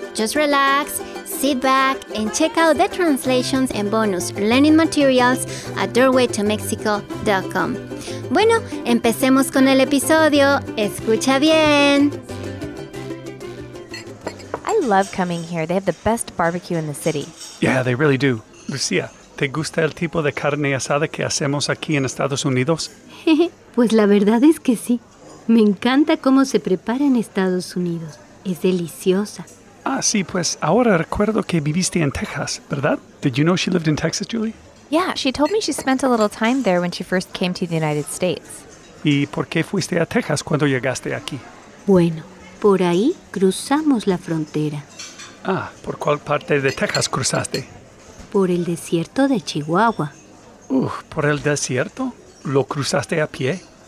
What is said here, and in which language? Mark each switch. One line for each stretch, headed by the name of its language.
English: Just relax, sit back, and check out the translations and bonus learning materials at doorwaytomexico.com.
Spanish: Bueno, empecemos con el episodio. Escucha bien.
English: I love coming here. They have the best barbecue in the city. Yeah, they really do.
Spanish: Lucia, ¿te gusta el tipo de carne asada que hacemos aquí en Estados Unidos? Pues la verdad es que sí. Me encanta cómo se prepara en Estados Unidos. Es deliciosa. Ah, sí, pues ahora recuerdo que viviste en Texas, ¿verdad?
English: Did you know she lived in Texas, Julie? Yeah, she told me she spent a little time there when she first came to the United States.
Spanish: ¿Y por qué fuiste a Texas cuando llegaste aquí? Bueno, por ahí cruzamos la frontera. Ah, ¿por cuál parte de Texas cruzaste? Por el desierto de Chihuahua. ¿Por el desierto? ¿Lo cruzaste a pie?